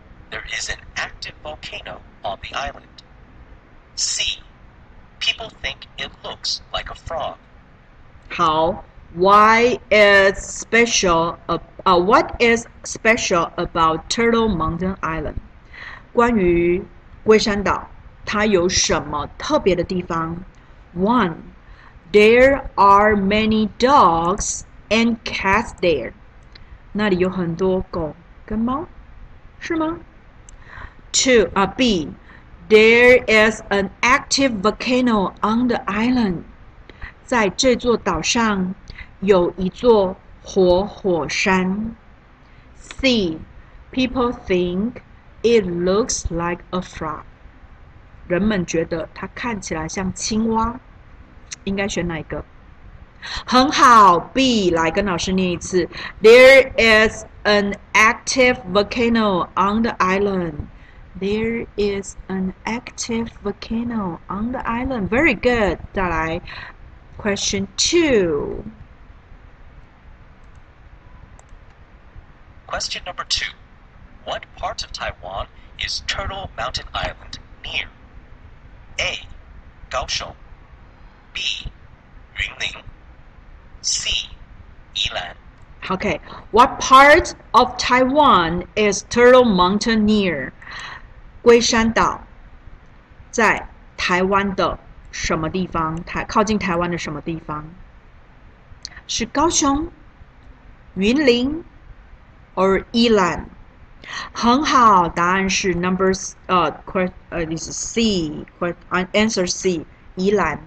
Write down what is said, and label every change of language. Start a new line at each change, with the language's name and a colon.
English: There is an active volcano on the island. C. People think it looks like a frog.
Chinese: 好。
English: Why is special about what is special about Turtle Mountain Island?
Chinese: 关于龟山岛，它有什么特别的地方 ？One,
English: there are many dogs and cats there.
Chinese: 那里有很多狗跟猫，是吗
English: ？Two, B, there is an active volcano on the island.
Chinese: 在这座岛上有一座活火山。
English: C. People think it looks like a frog.
Chinese: 人们觉得它看起来像青蛙。应该选哪一个？很好 ,B, 来跟老师念一次。
English: There is an active volcano on the island. There is an active volcano on the island. Very good.
Chinese: 再来
English: ,Question 2. Question number 2. What part of Taiwan is Turtle Mountain Island near?
Chinese: A. 高雄 B. 云林C. 宜蘭
English: Okay, what part of Taiwan is Turtle Mountain near?
Chinese: 龟山岛在台湾的什么地方？靠近台湾的什么地方？是高雄、云林 or 宜蘭？很好，答案是 answer C, 宜蘭。